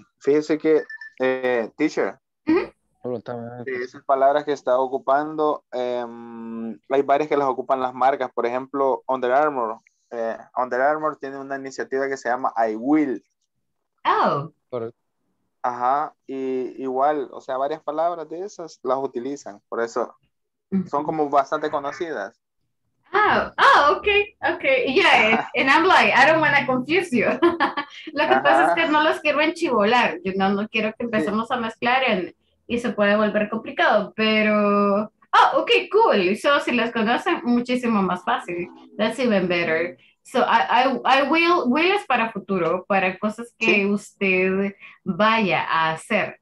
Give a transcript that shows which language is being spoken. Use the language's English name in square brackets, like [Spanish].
[Spanish] Fíjese que, teacher, esas palabras que está ocupando, hay varias que las ocupan las marcas, por ejemplo, Under Armour. Under Armour tiene una iniciativa que se llama I Will. Oh. Ajá, y igual, o sea, varias palabras de esas las utilizan, por eso son como bastante conocidas. Okay. [English] Yeah, and I'm like, I don't want to confuse you. [Spanish] Lo que pasa es que no los quiero enchivolar, yo no quiero que empecemos a mezclar y se puede volver complicado, pero... [English] Oh, okay, cool. So, [Spanish] si las conocen, muchísimo más fácil. [English] That's even better. So, [Spanish] I will es para futuro, para cosas que usted vaya a hacer.